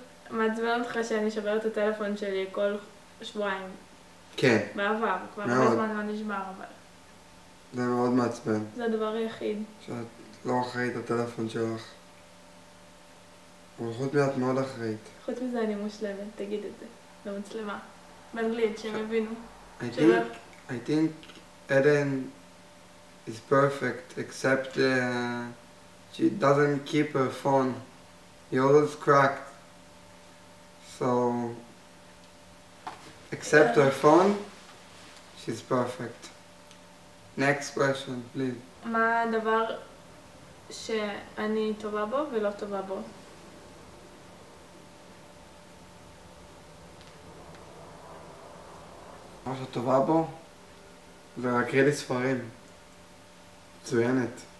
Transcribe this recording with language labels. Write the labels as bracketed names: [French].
[Hebrew] מעצבן אותך שאני שובר את הטלפון שלי כל שבועיים. כן. בעבר, כבר הרבה זמן לא נשבר, אבל... זה מאוד מעצבן. זה הדבר היחיד. שאת לא אחראית לטלפון שלך. אבל חוץ מזה את מאוד אחראית. חוץ מזה אני מושלמת, תגיד את זה. למצלמה. באנגלית, שהם הבינו. [English] I think Eden is perfect, except she doesn't keep her phone. Yours is cracked. So, except her phone, she's perfect. Next question, please. [Hebrew] מה הדבר שאני טובה בו ולא טובה בו? מה שאת טובה בו, זה להקריא לי ספרים. מצוינת.